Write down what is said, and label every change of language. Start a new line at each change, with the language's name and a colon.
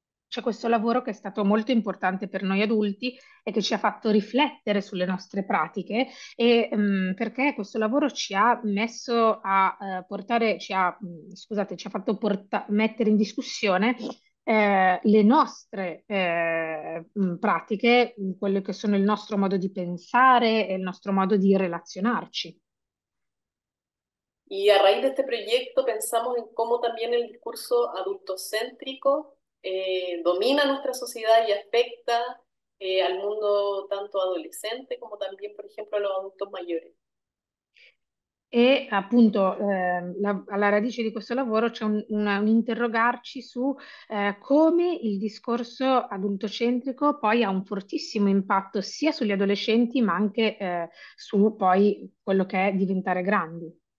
Italian: C'è questo lavoro che è stato molto importante per noi adulti e che ci ha fatto riflettere sulle nostre pratiche, e, perché questo lavoro ci ha messo a portare, ci ha, scusate, ci ha fatto mettere in discussione le nostre pratiche, quello che sono il nostro modo di pensare e il nostro modo di relazionarci.
Spanish: Y a raíz de este proyecto pensamos en cómo también el discurso adultocéntrico domina nuestra sociedad y afecta al mundo tanto adolescente como también, por ejemplo, a los adultos mayores.
Italian: E appunto alla radice di questo lavoro c'è un interrogarci su come il discorso adultocentrico poi ha un fortissimo impatto sia sugli adolescenti ma anche su poi quello che è diventare grandi.